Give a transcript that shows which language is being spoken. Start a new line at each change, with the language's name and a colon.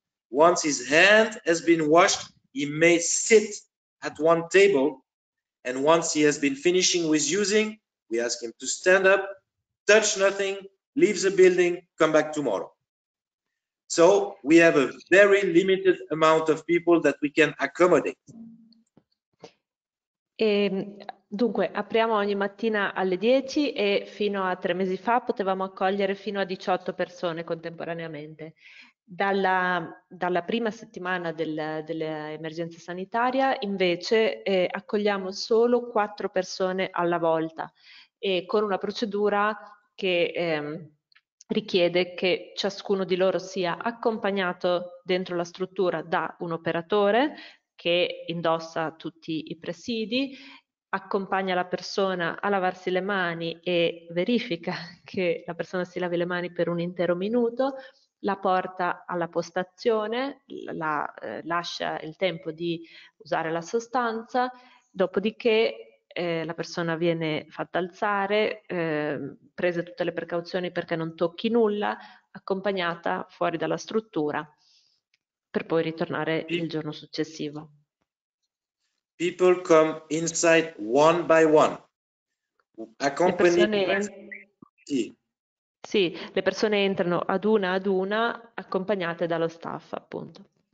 English: Once his hand has been washed, he may sit at one table. And once he has been finishing with using, we ask him to stand up, touch nothing, leave the building, come back tomorrow. So we have a very limited amount of people that we can accommodate.
Italian: E, dunque, apriamo ogni mattina alle 10 e fino a 3 mesi fa potevamo accogliere fino a 18 persone contemporaneamente. Dalla prima settimana dell'emergenza sanitaria invece accogliamo solo 4 persone alla volta e con una procedura che richiede che ciascuno di loro sia accompagnato dentro la struttura da un operatore che indossa tutti i presidi, accompagna la persona a lavarsi le mani e verifica che la persona si lavi le mani per un intero minuto, la porta alla postazione, lascia il tempo di usare la sostanza, dopodiché la persona viene fatta alzare, prese tutte le precauzioni perché non tocchi nulla, accompagnata fuori dalla struttura per poi ritornare il giorno successivo.
English: People come inside one by one, accompanied by...
Italian: Sì, le persone entrano ad una, accompagnate dallo staff, appunto.